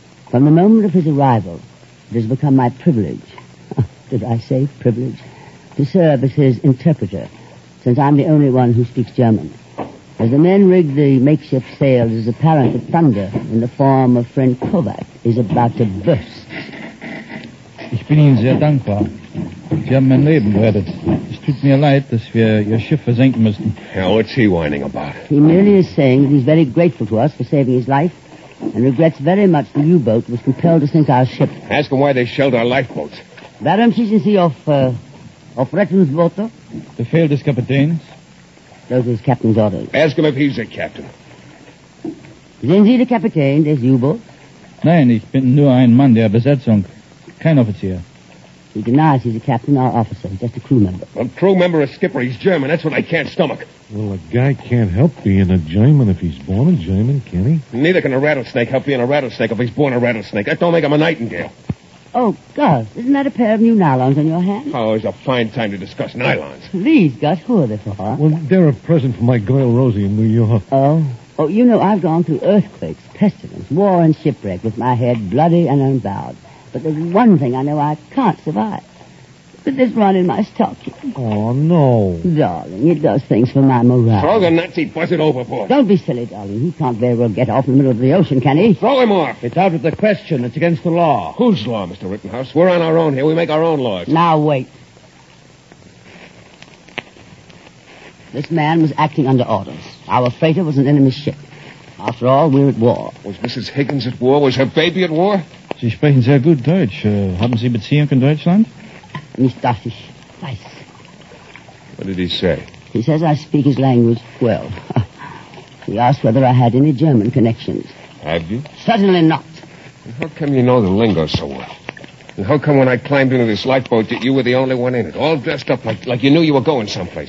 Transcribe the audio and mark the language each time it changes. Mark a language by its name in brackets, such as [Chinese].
[English] From the moment of his arrival, it has become my privilege. Did I say privilege? To serve as his interpreter, since I'm the only one who speaks German. As the men rig the makeshift sails, it is apparent that thunder in the form of friend Kovac is about to burst. [German] Ich bin Ihnen sehr dankbar. Sie haben mein Leben gerettet. Es tut mir leid, dass wir Ihr Schiff versenken mussten. [English] Now, what's he whining about? He merely is saying that he's very grateful to us for saving his life and regrets very much the U-boat was compelled to sink our ship. Ask him why they shelled our lifeboats. [German] Warum schießen Sie auf Rettungsboote? Befehl des Kapitäns. [English] Those are his captain's orders. Ask him if he's a captain. [German] Sind Sie der Kapitän des U-boats? Nein, ich bin nur ein Mann der Besatzung. Kein Offizier. [English] He denies he's a captain or officer. He's just a crew member. A crew member, a skipper. He's German. That's what I can't stomach. Well, a guy can't help being a German if he's born a German, can he? Neither can a rattlesnake help being a rattlesnake if he's born a rattlesnake. That don't make him a nightingale. Oh, Gus, isn't that a pair of new nylons on your hand? Oh, it's a fine time to discuss nylons. Please, Gus, who are they for? Huh? Well, they're a present for my girl Rosie in New York. Oh, you know, I've gone through earthquakes, pestilence, war, and shipwreck with my head bloody and unbowed. But there's one thing I know I can't survive. But this run in my stocking. Oh, no. Darling, it does things for my morale. Throw the Nazi buzzard overboard. Don't be silly, darling. He can't very well get off in the middle of the ocean, can he? Throw him off. It's out of the question. It's against the law. Whose law, Mr. Rittenhouse? We're on our own here. We make our own laws. Now, wait. This man was acting under orders. Our freighter was an enemy ship. After all, we're at war. Was Mrs. Higgins at war? Was her baby at war? [German] Sie sprechen sehr gut Deutsch. Haben Sie Beziehung in Deutschland? Nicht, dass ich weiß. [English] What did he say? He says I speak his language well. He asked whether I had any German connections. Have you? Certainly not. And how come you know the lingo so well? And how come when I climbed into this lifeboat that you were the only one in it, all dressed up like you knew you were going someplace?